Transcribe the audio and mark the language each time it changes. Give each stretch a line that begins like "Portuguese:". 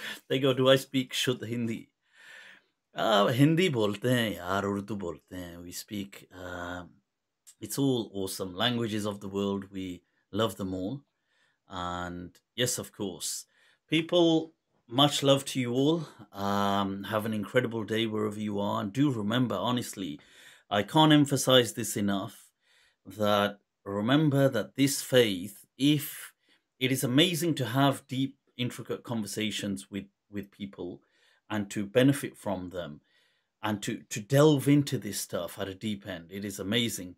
English: They go, do I speak Shuddh Hindi?
Urdu: Hindi بولتے ہیں، یار، اردو بولتے ہیں۔
English: We speak... it's all awesome. Languages of the world, we love them all. And yes, of course. People, much love to you all. Have an incredible day wherever you are. And do remember, honestly, I can't emphasize this enough, that remember that this faith, if it is amazing to have deep, intricate conversations with people and to benefit from them, and to delve into this stuff at a deep end, it is amazing.